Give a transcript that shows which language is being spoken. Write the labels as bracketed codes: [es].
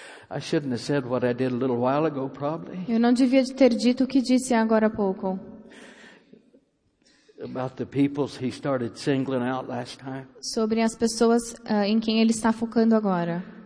[en] I shouldn't have said what I did a little while ago, probably. [pt] Eu não devia ter dito o que disse agora há pouco. [en] About the peoples he started singling out last time. [pt] Sobre as pessoas em quem ele está focando agora.